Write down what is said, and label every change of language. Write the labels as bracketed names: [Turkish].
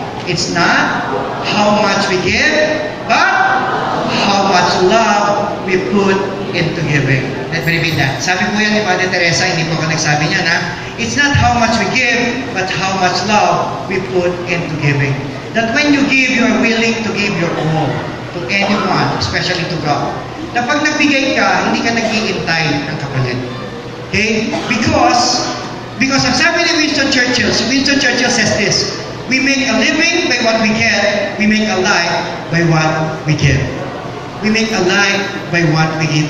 [English] It's not how much we give, but how much love we put into giving. Let me repeat that. [Filipino] Sabi po yan ni Mother Teresa, hindi po ako nagsabi niya na, [English] it's not how much we give, but how much love we put into giving. That when you give, you are willing to give your all to anyone, especially to God. [Filipino] Na pag nagbigay ka, hindi ka naghihintay ng kapalit. [English] Okay? Because [Filipino] ang sabi ni [English] Winston Churchill says this, we make a living by what we get, we make a life by what we give. We make a life by what we give.